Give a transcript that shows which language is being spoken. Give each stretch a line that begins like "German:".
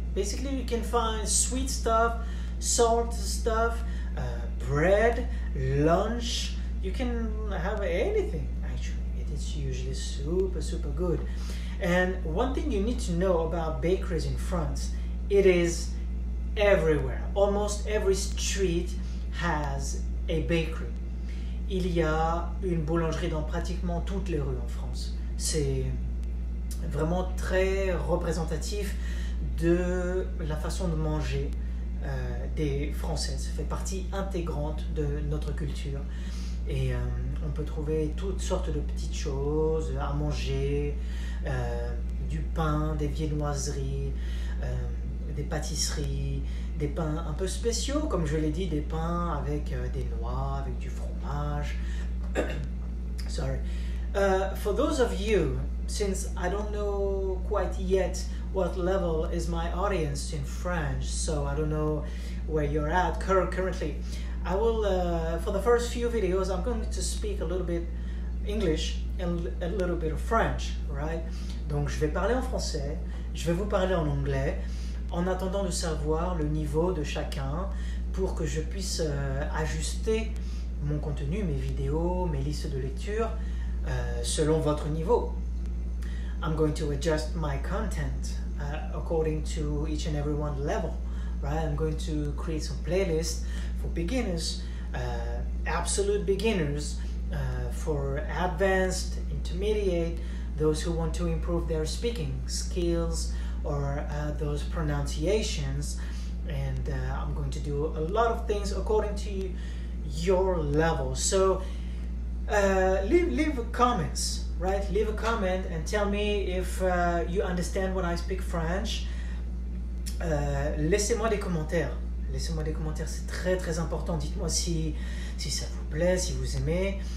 English: Basically, you can find sweet stuff, salt stuff, bread, lunch. You can have anything, actually. It is usually super, super good. And one thing you need to know about bakeries in France, it is everywhere. Almost every street has a bakery.
French: Il y a une boulangerie dans pratiquement toutes les rues en France. C'est vraiment très représentatif de la façon de manger des Françaises. Ça fait partie intégrante de notre culture. Et on peut trouver toutes sortes de petites choses à manger, du pain, des viennoiseries, des pâtisseries, des pains un peu spéciaux, comme je l'ai dit, des pains avec des noix, avec du fromage.
English: Sorry. For those of you, since I don't know quite yet what level is my audience in French, so I don't know where you're at currently, I will, for the first few videos, I'm going to speak a little bit English and a little bit of French, right?
French: Donc je vais parler en français, je vais vous parler en anglais, en attendant de savoir le niveau de chacun pour que je puisse ajuster mon contenu, mes vidéos, mes listes de lecture selon votre niveau.
English: I'm going to adjust my content according to each and every one level, right? I'm going to create some playlists for beginners, absolute beginners, for advanced, intermediate, those who want to improve their speaking skills or those pronunciations. And I'm going to do a lot of things according to your level. So leave comments. Right, leave a comment and tell me if you understand when I speak French.
French: Laissez-moi des commentaires. Laissez-moi des commentaires, c'est très très important. Dites-moi si ça vous plaît, si vous aimez.